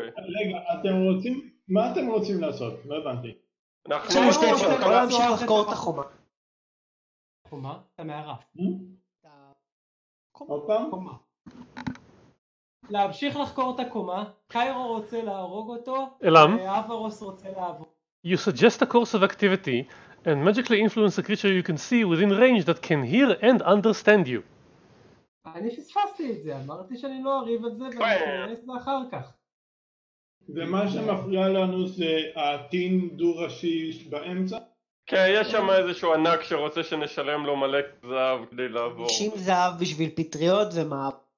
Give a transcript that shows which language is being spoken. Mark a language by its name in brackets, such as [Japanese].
[Hebrew] רגע, אתם רוצים? מה אתם רוצים לעשות? לא הבנתי. עכשיו יש שתי אפשרות, בוא נמשיך לחקור את החומה. חומה? את המערה. עוד פעם? חומה. להמשיך לחקור את הקומה, קיירו רוצה להרוג אותו, אלם? ואברוס רוצה לעבור. [English] You suggest a course of activity and magically influence a creature you can see within range that can hear and understand you. [Hebrew] אני פספסתי את זה, אמרתי שאני לא אריב את זה ואני אכנס לאחר כך. ומה שמפריע לנו זה הטין דו ראשי באמצע? כן, יש שם איזשהו ענק שרוצה שנשלם לו מלא זהב כדי לעבור. 90 זהב בשביל פטריות ומה...